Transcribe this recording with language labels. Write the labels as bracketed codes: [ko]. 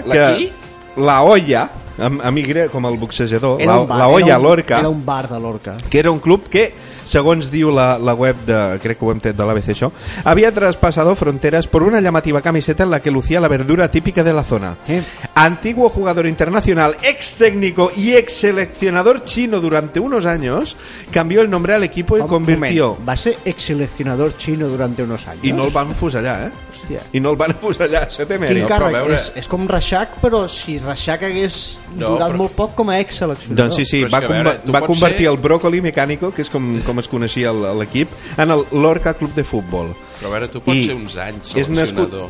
[ca] La qui? La olla, amb igre, com el boxejador. La olla Lorca. Era un bar de Lorca. Que era un club que, segons diu la web, crec que ho hem tret de l'ABC, això, havia traspassat fronteres per una [es] llamativa camiseta en la que lucía la verdura típica de la zona. Antiguo jugador internacional, ex técnico y ex seleccionador chino durante unos años, cambió el nombre al equipo y convirtió... Va ser ex seleccionador chino durante unos años. [ca] I no el van fusellar, eh? Hòstia. I no el van fusellar, això té mèrit. Quin càrrec, és com Reixac, però si Reixac hagués durat molt poc com a ex seleccionador. Doncs sí, va convertir el Brócoli Mecánico, que és com es coneixia l'equip, en el Lorca Club de Futbol. Però a veure, tu pots ser uns anys seleccionador.